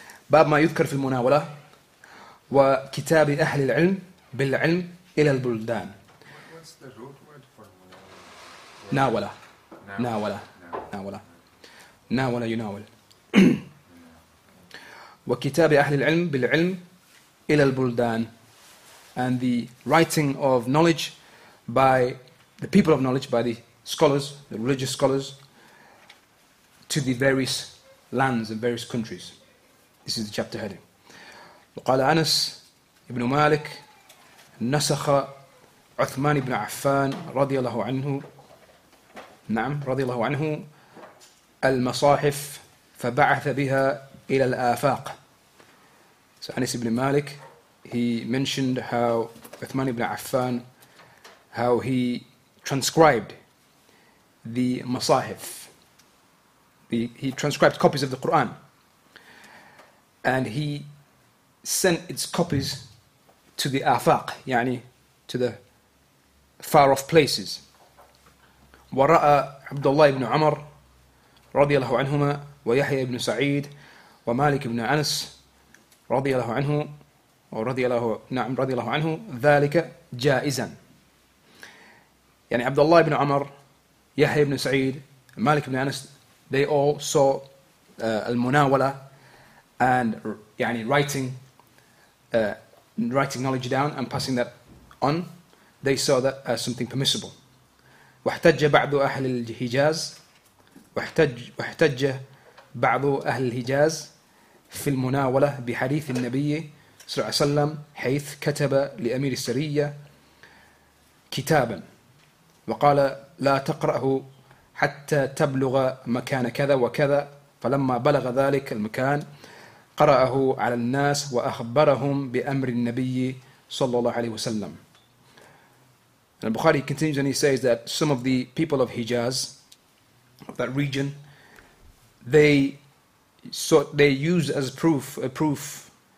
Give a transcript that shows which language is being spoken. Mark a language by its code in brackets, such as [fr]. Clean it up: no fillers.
[ar] باب ما يذكر في المناولة وكتاب أهل العلم بالعلم إلى البلدان. [en] What's the root word for [ar] مناولة؟ ناولة. ناولة. ناولة يناول. وكتاب أهل العلم بالعلم إلى البلدان. [en] And the writing of knowledge by the people of knowledge, by the scholars, the religious scholars, to the various lands and various countries. This is the chapter heading. [ar] وقال أنس ابن مالك نسخ عثمان بن عفان رضي الله عنه نعم رضي الله عنه المصاحف فبعث بها إلى الآفاق. [en] So Anas ibn Malik, he mentioned how Uthman ibn Affan, how he transcribed the masahif. He transcribed copies of the Quran, and he sent its copies to the afaq, yani to the far off places. [ar] ورأى عبد الله بن عمر رضي الله عنهما ويحيى بن سعيد ومالك بن أنس رضي الله عنه ورضي الله نعم رضي الله عنه ذلك جائزا. [en] يعني عبد الله بن عمر يحيى بن سعيد مالك بن أنس they all saw al-munawala and yani writing knowledge down and passing that on. They saw that as something permissible. [ar] واحتج بعض أهل الحجاز واحتج بعض أهل الحجاز في المناولة بحديث النبي صلى الله عليه وسلم حيث كتب لأمير السرية كتابا وقال لا تقرأه حتى تبلغ مكان كذا وكذا فلما بلغ ذلك المكان قرأه على الناس وأخبرهم بأمر النبي صلى الله عليه وسلم. [en] And Bukhari continues and he says that some of the people of Hijaz, of that region, they used as proof